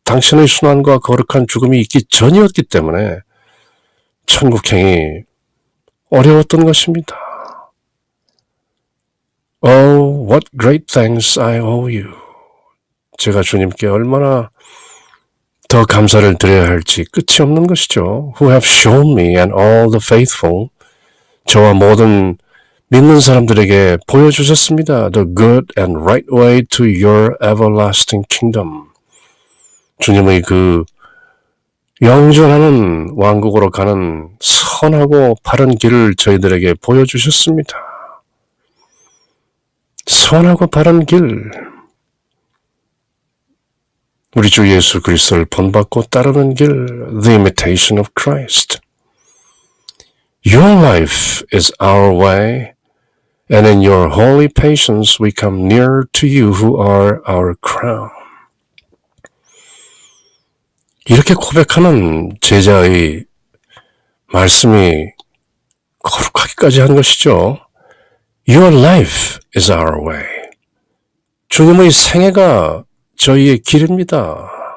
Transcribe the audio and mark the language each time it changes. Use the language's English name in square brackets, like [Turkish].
[Korean] 당신의 순환과 거룩한 죽음이 있기 전이었기 때문에 천국행이 어려웠던 것입니다. [English] Oh, what great thanks I owe you. [Korean] 제가 주님께 얼마나 더 감사를 드려야 할지 끝이 없는 것이죠. [English] Who have shown me and all the faithful. [Korean] 저와 모든 믿는 사람들에게 보여주셨습니다. [English] The good and right way to your everlasting kingdom. [Korean] 주님의 그 영존하는 왕국으로 가는 선하고 바른 길을 저희들에게 보여주셨습니다. 선하고 바른 길. 우리 주 예수 그리스도를 본받고 따르는 길. [English] The imitation of Christ. Your life is our way. And in your holy patience, we come nearer to you who are our crown. [Korean] 이렇게 고백하는 제자의 말씀이 거룩하기까지 한 것이죠. [English] Your life is our way. [Korean] 주님의 생애가 저희의 길입니다.